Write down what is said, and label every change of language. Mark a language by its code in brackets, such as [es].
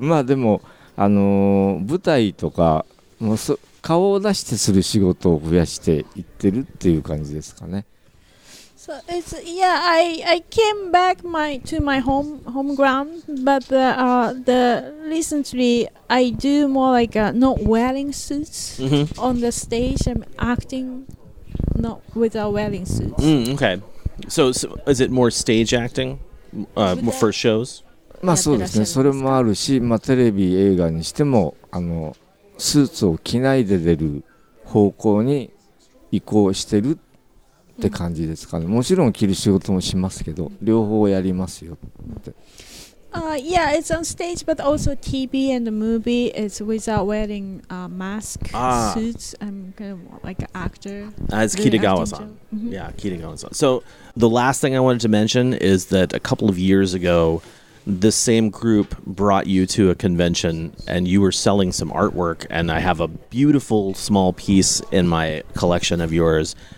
[ja] まあでも舞台とかもう顔を出してする仕事を増やしていってるっていう感じですかね。 [en] So it's I came back to my home ground, but the recently I do more like not wearing suits on the stage. I'm acting not without wearing suits. Okay, so is it more stage acting for shows? [ja] まあそうですね。それもあるし、まあテレビ映画にしてもスーツを着ないで出る方向に移行してる。って感じですかね。もちろん着る仕事もしますけど、両方やりますよって。 [en] Yeah, it's on stage, but also TV and the movie. It's without wearing mask suits. I'm kind of like an actor. As Kitagawa-san. Mm-hmm. Yeah, Kitagawa-san. So the last thing I wanted to mention is that a couple of years ago, the same group brought you to a convention and you were selling some artwork, and I have a beautiful small piece in my collection of yours.